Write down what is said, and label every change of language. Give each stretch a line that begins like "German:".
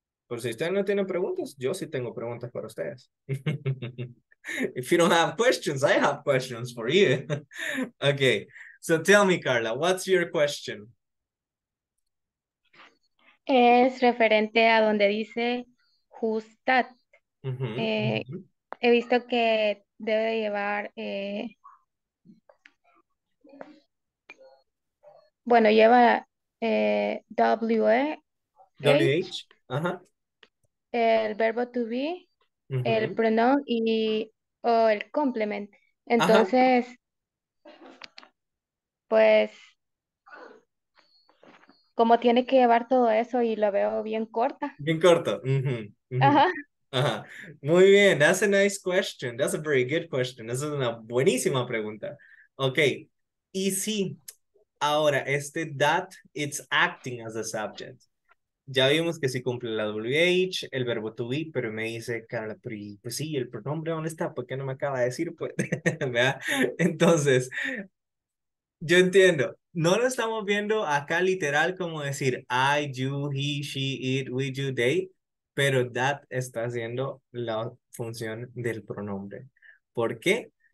Spanish: Pues si ustedes no tienen preguntas, yo sí tengo preguntas para ustedes.
English: If you don't have questions, I have questions for you. Okay. So tell me, Carla, what's your question?
Spanish: Es referente a donde dice
English: who's that. Mm-hmm.
Spanish: He visto que debe de llevar, bueno, lleva WH, ajá, el verbo to be, uh-huh, el pronoun y o el complement. Entonces, ajá, pues, como tiene que llevar todo eso y lo veo bien corta. Bien corto. Uh-huh. Ajá. Muy bien,
English: that's a nice question. That's a very good question.
Spanish: Esa es una buenísima pregunta.
English: Okay,
Spanish: y sí, ahora este
English: that, it's acting as a subject.
Spanish: Ya vimos que sí cumple la WH, el verbo to be, pero me dice, Carla, pues sí, el pronombre, ¿dónde está? ¿Por qué no me acaba de decir? Pues, ¿verdad? Entonces, yo entiendo. No lo estamos viendo acá literal como decir I, you, he, she, it, we, you, they, pero that está haciendo la función del pronombre. ¿Por qué?